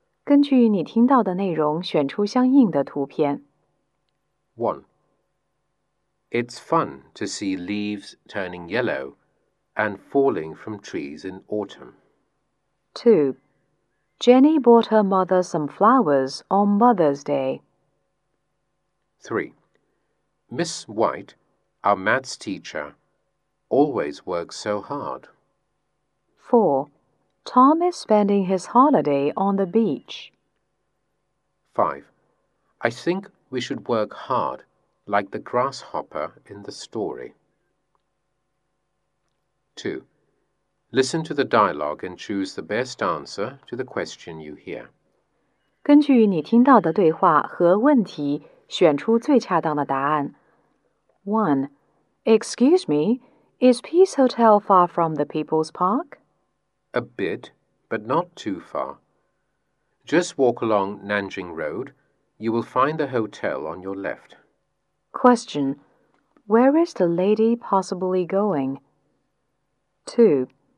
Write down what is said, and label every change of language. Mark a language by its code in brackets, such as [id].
[zh] 根据你听到的内容选出相应的图片. [en] 1. It's fun to see leaves turning yellow and falling from trees in autumn. 2. Jenny bought her mother some flowers on Mother's Day. 3. Miss White, our maths teacher, always works so hard. 4. Tom is spending his holiday on the beach. 5. I think we should work hard, like the grasshopper in the story. 2. Listen to the dialogue and choose the best answer to the question you hear. [zh] 根据你听到的对话和问题，选出最恰当的答案. [en] 1. Excuse me, is Peace Hotel far from the People's Park? A bit, but not too far. Just walk along Nanjing Road. You will find the hotel on your left. Question. Where is the lady possibly going? 2.